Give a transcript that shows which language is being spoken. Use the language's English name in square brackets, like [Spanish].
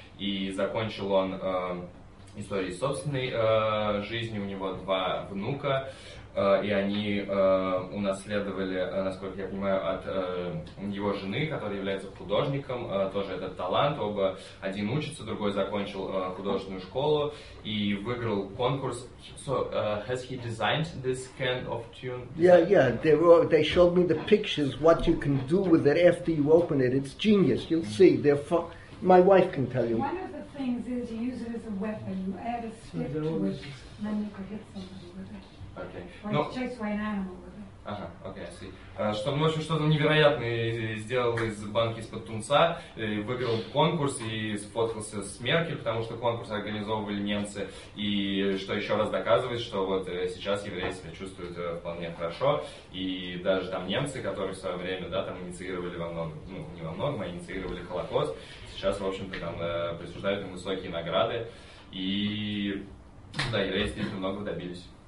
[Russian] И закончил он историей собственной жизни. У него два внука, и они унаследовали, насколько я понимаю, от его жены, которая является художником, тоже этот талант. Оба, один учится, другой закончил художественную школу и выиграл конкурс. [English] So, has he designed this kind of tune? Yeah. They showed me the pictures, what you can do with it after you open it. It's genius. You'll see. My wife can tell you. One of the things is you use it as a weapon. You add a strip to it, and then you can hit something. Okay. [Russian] Ну, что, ну, в общем, что-то невероятное сделал из банки из-под тунца, выиграл конкурс и сфоткался с Меркель, потому что конкурс организовывали немцы, и что еще раз доказывает, что вот сейчас евреи себя чувствуют вполне хорошо, и даже там немцы, которые в свое время, да, там инициировали во многом, ну, не во многом, а инициировали Холокост, сейчас, в общем-то, там присуждают им высокие награды, и, да, евреи действительно много добились.